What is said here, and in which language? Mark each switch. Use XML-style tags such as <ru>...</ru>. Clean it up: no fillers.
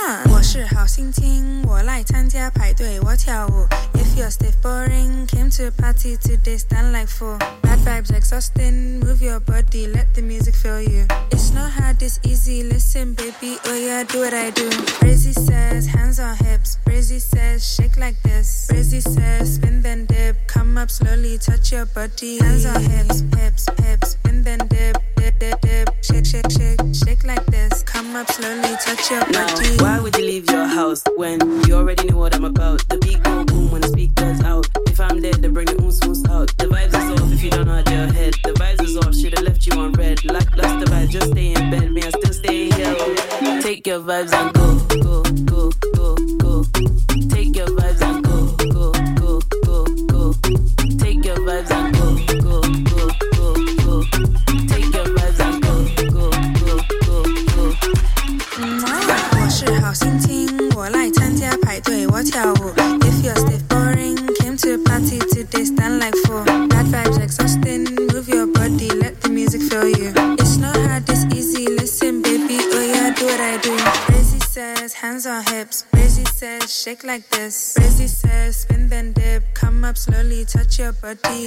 <zh>我是好心情，我来参加派对，我跳舞。</zh> <en>If you're still boring, came to a party today, stand like fool. Bad vibes exhausting, move your body, let the music fill you. It's not hard, it's easy, listen baby, oh yeah, do what I do. Brazy says, hands on hips, Brazy says, shake like this. Brazy says, spin then dip, come up slowly, touch your body. Hands on hips, hips, hips, spin then dip, dip, dip, dip. Shake, shake, shake, shake like this, come up slowly, touch your body. Now, why would you leave your house when you already know what I'm about? The beat goes boom when the speak goes out. If I'm dead, then bring the oons out. The vibes is off if you don't nod your head. The vibes is off, should've left you on red. Lackluster vibes, just stay in bed, may I still stay here? Take your vibes and go, go, go, go, go. Take your vibes and go, go, go, go, go. Take your vibes and go, go, go, go, go. Take your vibes and go, go, go, go, go.</en> <zh>我是好心情，我来参加派对，我跳舞。</zh> <en>If you're still boring, came to party today, stand like fool. Bad vibes exhausting, move your body, let the music fill you. It's not hard, it's easy, listen baby, oh yeah, do what I do. Brazy says, hands on hips, Brazy says, shake like this. Brazy says, spin then dip, come up slowly, touch your body.</en>